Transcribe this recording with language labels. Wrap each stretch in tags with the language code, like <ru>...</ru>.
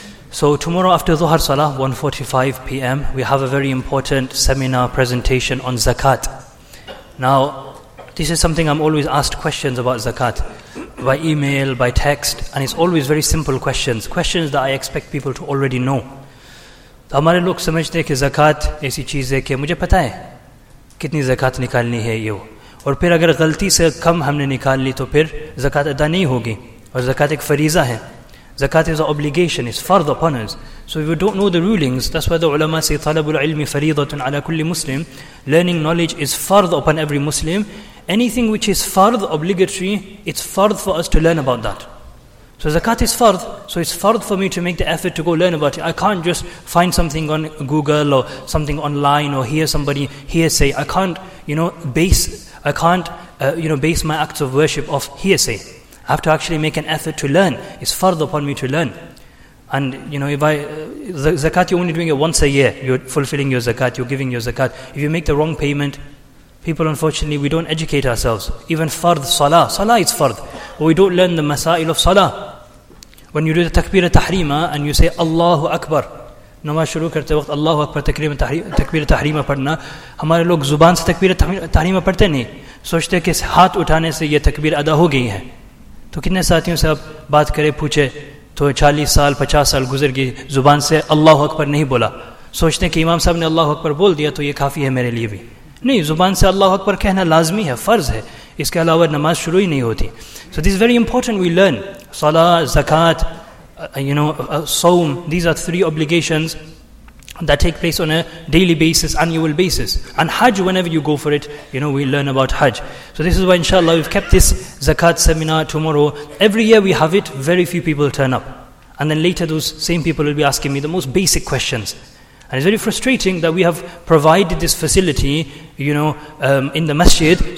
<en>So, tomorrow after Zuhr Salah, 1:45 p.m., we have a very important seminar presentation on Zakat. Now, this is something I'm always asked questions about Zakat by email, by text, and it's always very simple questions. Questions that I expect people to already know.</en> <ur>ہمارے لوگ سمجھتے ہیں کہ زکوٰۃ ایسی چیز ہے کہ مجھے پتا ہے کتنی زکوٰۃ نکالنی ہے یہ. اور پھر اگر غلطی سے کم ہم نے نکال لی تو پھر زکوٰۃ ادا نہیں ہوگی. اور زکوٰۃ ایک فریضہ ہے.</ur> <en>Zakat is an obligation, it's fard upon us. So if you don't know the rulings, that's why the ulama say</en> <ar>talabul ilmi faridatun ala kulli Muslim.</ar> <en>Learning knowledge is fard upon every Muslim. Anything which is fard, obligatory, it's fard for us to learn about that. So Zakat is fard, so it's fard for me to make the effort to go learn about it. I can't just find something on Google or something online or hear somebody hearsay. I can't base my acts of worship off hearsay. I have to actually make an effort to learn. It's fard upon me to learn. And, you know, Zakat, you're only doing it once a year. You're fulfilling your Zakat, you're giving your Zakat. If you make the wrong payment, people, unfortunately, we don't educate ourselves. Even fard, salah. Salah is fard. But we don't learn the masail of salah. When you do the takbir tahrima and you say, Allahu Akbar.</en> <ur>نماز شروع کرتے وقت اللہ اکبر تکبیر تحریمہ پڑھنا. ہمارے لوگ زبان سے تکبیر تحریمہ پڑھتے نہیں. سوچتے کہ ہاتھ اٹھانے سے یہ تکبیر ادا ہو گئی ہے. تو کتنے ساتھیوں سے آپ بات کرے پوچھے تو 40 سال 50 سال گزر گئی زبان سے اللہ اکبر نہیں بولا سوچتے ہیں کہ امام صاحب نے اللہ اکبر بول دیا تو یہ کافی ہے میرے لیے بھی نہیں زبان سے اللہ اکبر کہنا لازمی ہے فرض ہے اس کے علاوہ نماز شروع ہی نہیں ہوتی</ur> <en>So this very important we learn صلاح زکوٰۃ you know some these are three obligations that take place on a daily basis, annual basis. And Hajj, whenever you go for it, you know, we learn about Hajj. So this is why, inshallah, we've kept this Zakat seminar tomorrow. Every year we have it, very few people turn up. And then later those same people will be asking me the most basic questions. And it's very frustrating that we have provided this facility, you know, in the masjid.</en>